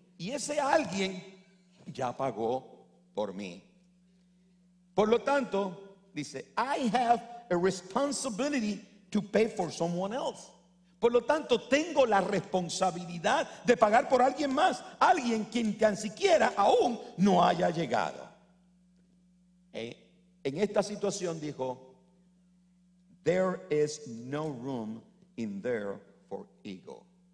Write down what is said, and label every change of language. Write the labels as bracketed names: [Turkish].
[Spanish] Y ese alguien ya pagó por mí. Por lo tanto, dice, [English] I have a responsibility to pay for someone else. [Spanish] Por lo tanto, tengo la responsabilidad de pagar por alguien más, alguien quien tan siquiera aún no haya llegado. En esta situación dijo, [English] there is no room in there for ego.